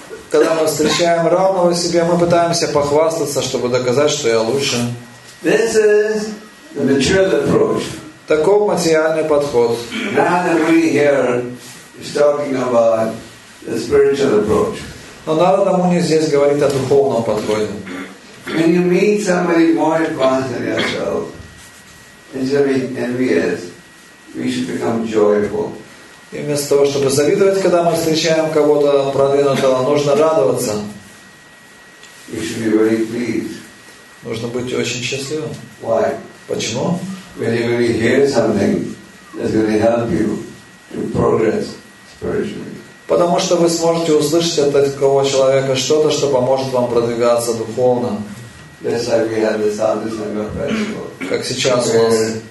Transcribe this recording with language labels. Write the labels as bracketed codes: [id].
[ru] Когда мы встречаем равного себе, мы пытаемся похвастаться, чтобы доказать, что я лучше. [en] This is the material approach. [ru] Таков материальный подход. [en] Now that we here is talking about the spiritual approach. [ru] Но Нарада Муни здесь говорит о духовном подходе. [en] When you meet somebody more advanced than yourself, instead of being envious, we should become joyful. [ru] И вместо того, чтобы завидовать, когда мы встречаем кого-то продвинутого, нужно радоваться. [en] You should be very pleased. [ru] Нужно быть очень счастливым. [en] Why? [ru] Почему? [en] When you really hear something that's going to help you to progress spiritually. [ru] Потому что вы сможете услышать от такого человека что-то, что поможет вам продвигаться духовно. Как сейчас у нас.